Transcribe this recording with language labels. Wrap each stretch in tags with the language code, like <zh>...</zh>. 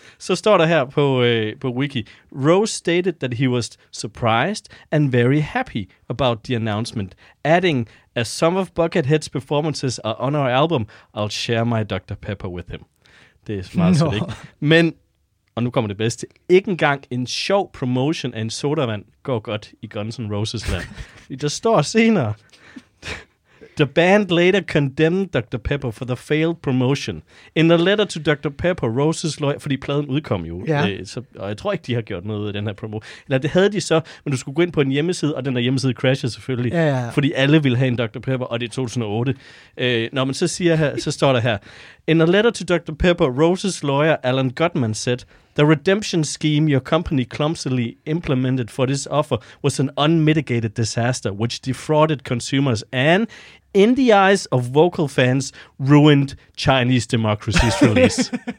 <da>Så står der her på Wiki,</da> <en>Rose stated that he was surprised and very happy about the announcement, adding, as some of Buckethead's performances are on our album, I'll share my Dr.</en> <da>Pepper with him. Det er meget sødt, ikke? Men, og nu kommer det bedste, ikke engang en sjov promotion af en sodavand går godt i Guns N' Roses land. Der står senere,</da> <en>the band later condemned Dr. Pepper for the failed promotion. In a letter to Dr.</en> <da>Pepper,</da> <en>Rose's lawyer,</en> <da>fordi pladen udkom jo, og jeg tror ikke, de har gjort noget af den her promo. Eller det havde de så, men du skulle gå ind på en hjemmeside, og den der hjemmeside crasher selvfølgelig, fordi alle ville have en Dr. Pepper, og det er 2008. Når man så siger her, så står der her,</da> <en>in a letter to</en> <da>Dr.</da> <en>Pepper, Rose's lawyer, Alan Gutman, said, the redemption scheme your company clumsily implemented for this offer was an unmitigated disaster, which defrauded consumers and, in the eyes of vocal fans, ruined Chinese Democracy's release.</en>